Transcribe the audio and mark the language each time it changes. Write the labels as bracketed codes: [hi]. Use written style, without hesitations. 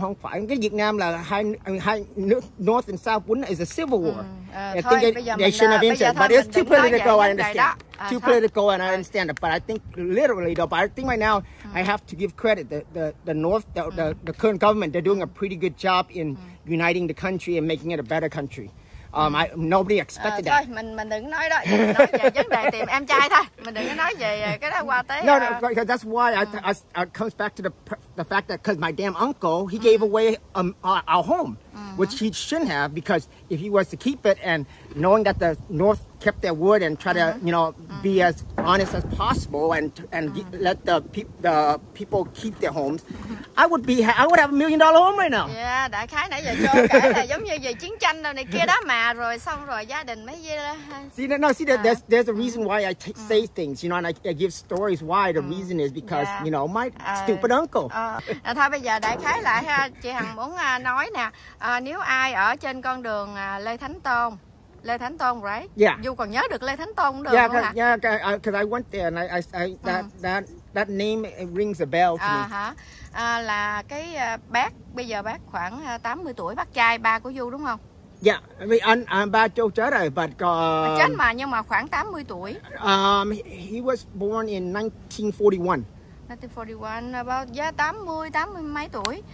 [vi] Không phải cái Việt Nam là hai nước [en] North and South [vi] vốn [en] is a civil war. [vi] Bây giờ [en] too political, I understand. Too political, and I understand it. But I think literally, though, but I think right now I have to give credit the North, the current government, they're doing a pretty good job in uniting the country and making it a better country. Nobody expected that. [vi] Mình đừng nói đó. Mình nói về vấn đề tìm em trai thôi. Mình đừng nói về cái đó qua tới. [en] No, that's why I comes back to the fact that because my damn uncle, he gave away our home, which he shouldn't have, because if he was to keep it, and knowing that the North kept their word and try to, you know, be as honest as possible and let the people keep their homes, I would have $1 million home right now. [vi] Yeah, đại khái nãy giờ Châu kể là giống như về chiến tranh đâu này kia đó mà, rồi xong rồi gia đình mới [en] there's a reason why I say things, you know, and I give stories why the reason is because, you know, my stupid uncle. [vi] Thôi bây giờ đại khái lại ha, chị Hằng muốn nói nè, nếu ai ở trên con đường Lê Thánh Tôn, [en] right? Yeah. [vi] Dù còn nhớ được Lê Thánh Tôn được không hả? [en] Yeah, because I went there and that name rings a bell to me. [vi] Là cái bác, bây giờ bác khoảng 80 tuổi, bác trai, ba của Du đúng không? [en] Yeah, I mean, [vi] ba Châu chết rồi, [en] but... [vi] chết mà, nhưng mà khoảng 80 tuổi. [en] He was born in 1941. [vi] 1941, about 80, 80 mấy tuổi.